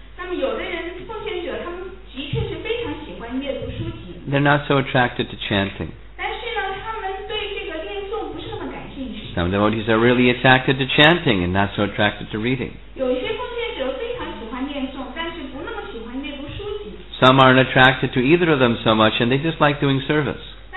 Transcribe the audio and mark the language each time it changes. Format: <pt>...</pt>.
<zh>那么有的人奉献者，他们的确是非常喜欢阅读书籍。</zh> <en>They're not so attracted to chanting.</en> <zh>但是呢，他们对这个念诵不是那么感兴趣。</zh> <en>Some devotees are really attracted to chanting and not so attracted to reading.</en> <zh>有一些奉献者非常喜欢念诵，但是不那么喜欢阅读书籍。</zh> <en>Some aren't attracted to either of them so much, and they just like doing service.</en>